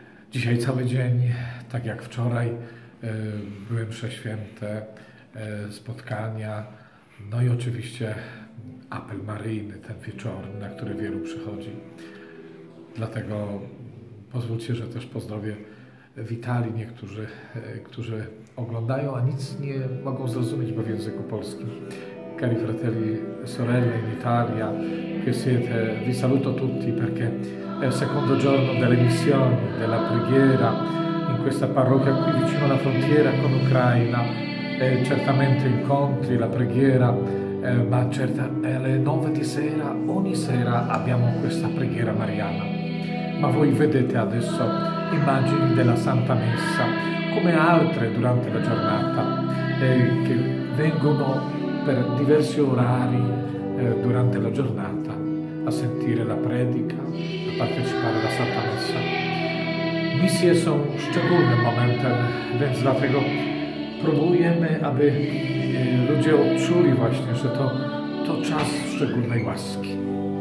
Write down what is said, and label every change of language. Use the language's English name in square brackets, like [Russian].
[Polish] Dzisiaj cały dzień, tak jak wczoraj, były msze święte, spotkania, no i oczywiście apel maryjny, ten wieczorny, na który wielu przychodzi. Dlatego pozwólcie, że też pozdrowię witali niektórzy, którzy oglądają, a nic nie mogą zrozumieć, bo w języku polskim. [Italian] Cari fratelli, sorelle in Italia, che siete, vi saluto tutti perché è il secondo giorno delle missioni, della preghiera in questa parrocchia qui vicino alla frontiera con l'Ucraina. E certamente incontri, la preghiera, ma certo alle 9 di sera, ogni sera abbiamo questa preghiera mariana. Ma voi vedete adesso immagini della Santa Messa, come altre durante la giornata, che vengono per diversi orari durante la giornata a sentire la predica, a partecipare alla Santa Messa. [Polish] Misje są szczególnym momentem, więc dlatego próbujemy, aby ludzie odczuli właśnie, że to czas szczególnej łaski.